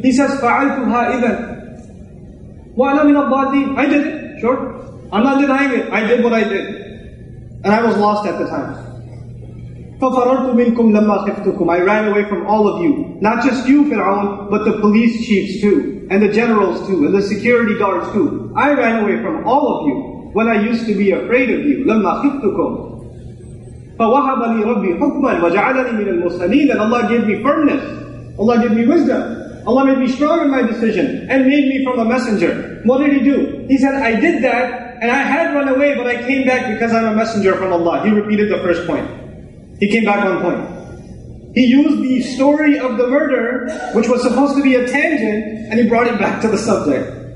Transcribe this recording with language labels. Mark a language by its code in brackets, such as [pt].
[en] He says, [ar] فَعَلْتُهَا إِذَا وَأَنَا مِنَ الْبَادِينَ [en] I did it, sure. I'm not denying it. I did what I did. And I was lost at the time. [ar] فَفَرَرْتُ مِنْكُمْ لَمَّا خِفْتُكُمْ [en] I ran away from all of you. Not just you, Fir'aun, but the police chiefs too. And the generals too. And the security guards too. I ran away from all of you when I used to be afraid of you. [ar] لَمَّا خِفْتُكُمْ فَوَهَبَ لِي رَبِّي حُكْمًا وَجَعَلَنِي مِنَ الْمُسْلِمِينَ [en] And Allah gave me firmness. Allah gave me wisdom. Allah made me strong in my decision and made me from a messenger. What did he do? He said, I did that and I had run away but I came back because I'm a messenger from Allah. He repeated the first point. He came back on point. He used the story of the murder, which was supposed to be a tangent, and he brought it back to the subject.